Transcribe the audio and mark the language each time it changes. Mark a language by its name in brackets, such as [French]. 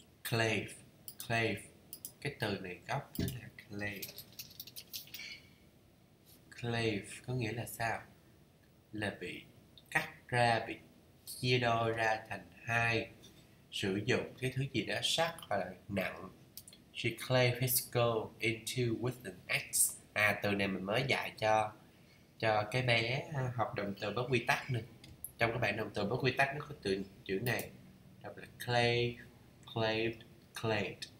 [Vietnamese] Clave, clave, cái từ này gốc nó là clave. Clave có nghĩa là sao? Là bị cắt ra, bị chia đôi ra thành hai, sử dụng cái thứ gì đó sắc hoặc là nặng. [English] She clave his skull into with an axe. [Vietnamese] À, từ này mình mới dạy cho cái bé học động từ bất quy tắc này. Trong các bạn động từ bất quy tắc nó có từ chữ này, đọc là clave, clave. [English] Clay.